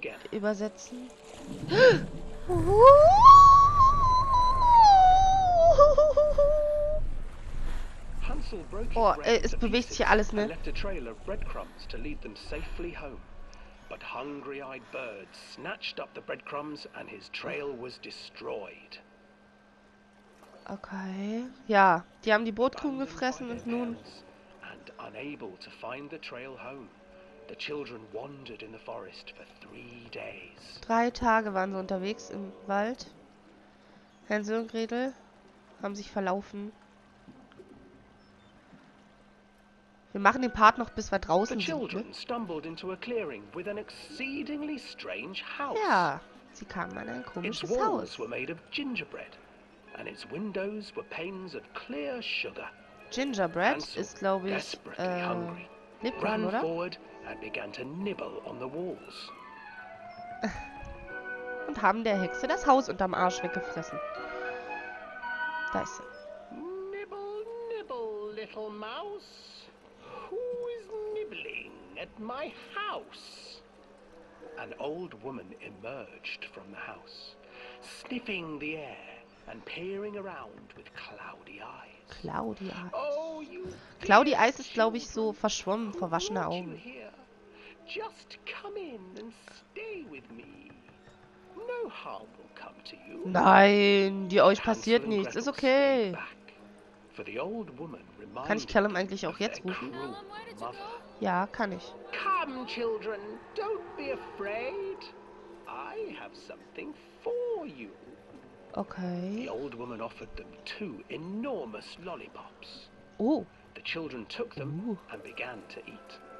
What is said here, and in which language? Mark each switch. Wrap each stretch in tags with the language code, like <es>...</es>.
<de>übersetzen. Oh, es bewegt sich alles, ne?</de> <en>Left a trail of breadcrumbs to lead them safely home. But hungry-eyed birds snatched up the breadcrumbs and his trail was destroyed. Okay.</en> <de>Ja, die haben die Brotkrumen gefressen und nun</de> <en>and unable to find the trail home. The children wandered in the forest for 3 days.</en> <de>3 Tage waren sie unterwegs im Wald. Hänsel und Gretel haben sich verlaufen. Wir machen den Part noch, bis wir draußen sind.</de> <en>The children stumbled into a clearing with an exceedingly strange house.</en> <de>Ja, sie kamen an ein komisches Haus.</de> <en>Its walls were made of gingerbread, and its windows were panes of clear sugar.</en> <de>Gingerbread Ansel, ist, glaube ich, Lebkuchen, oder?</de> <en>Ran forward and began to nibble on the walls.</en> <de>Und haben der Hexe das Haus unterm Arsch weggefressen. Da ist sie.</de> <en>Nibble, nibble, little mouse. Who is nibbling at my house? An old woman emerged from the house, sniffing the air and peering around with cloudy eyes. Cloudy Eyes. Cloudy Eyes</en> <de>ist, glaube ich, so verschwommen, verwaschene Augen.</de> <en>Just come in and stay with me. No harm will come to you.</en> <de>Nein, dir euch passiert nichts. Ist okay. Kann ich Callum eigentlich auch jetzt rufen? Ja, kann ich.</de> <en>Come, children, don't be afraid. I have something for you. Okay. The old woman offered them two enormous lollipops. Oh. The children took them and began to eat.</en>